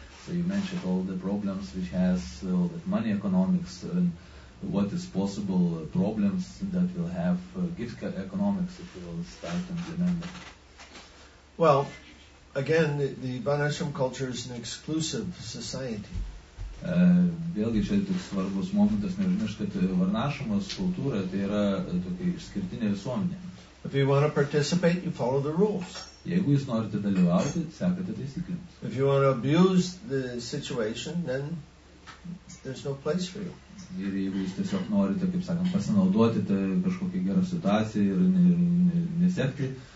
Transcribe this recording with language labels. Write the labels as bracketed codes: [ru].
[en] So you mentioned all the problems which has all that money economics and what is possible problems that will have gift economics if we will start and remember. Well. Again, the Vanashram culture is an exclusive society. [lt] Vėlgi, čia toks svarbus momentas, nežinau, kad Varnašamos kultūra, tai yra tokia išskirtinė visuomenė. [en] If you want to participate, you follow the rules. [lt] Jeigu jūs norite dalyvauti, sekate taisyklėms. [en] If you want to abuse the situation, then there's no place for you. [lt] Ir jeigu jūs tiesiog norite, kaip sakant, pasinaudoti tą kažkokią gerą situaciją ir nesekti,